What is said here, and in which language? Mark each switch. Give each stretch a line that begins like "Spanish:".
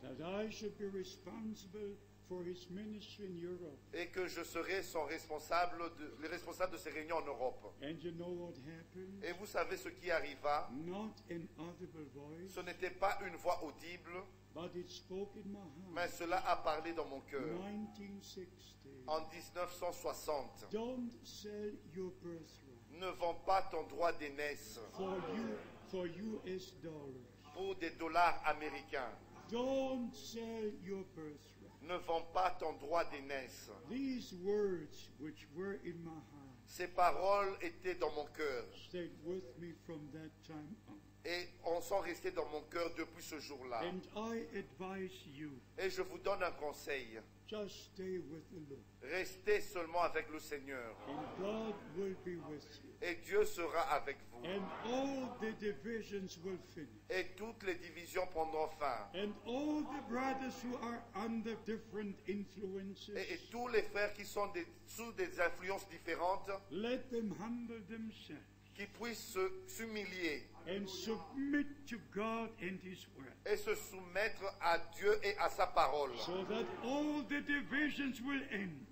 English: That I should be responsible for his ministry in Europe.
French: Et que je serais son responsable, le responsable de ses réunions en Europe.
English: And you know what happened?
French: Et vous savez ce qui arriva?
English: Not an audible voice,
French: ce n'était pas une voix audible,
English: but it spoke in my heart.
French: Mais cela a parlé dans mon cœur.
English: 1960.
French: En 1960.
English: Don't sell your birthright.
French: Ne vends pas ton droit d'aînesse.
English: For US dollars.
French: Pour des dollars américains.
English: Don't sell your birthright.
French: Ne vends pas ton droit d'aînesse.
English: These words which were in my heart.
French: Ces paroles étaient dans mon cœur.
English: Stayed with me from that time on.
French: Et on s'en restait dans mon cœur depuis ce jour-là.
English: And I advise you.
French: Et je vous donne un conseil.
English: Just stay with the Lord.
French: Restez seulement avec le Seigneur.
English: And God will be with you.
French: Et Dieu sera avec vous.
English: And all the divisions will finish.
French: Et toutes les divisions prendront fin.
English: And all the brothers who are under different influences.
French: Et tous les frères qui sont sous des influences différentes.
English: Let them humble themselves.
French: Qui puissent s'humilier.
English: And submit to God and his word.
French: Et se soumettre à Dieu et à sa parole.
English: So that all the divisions will end.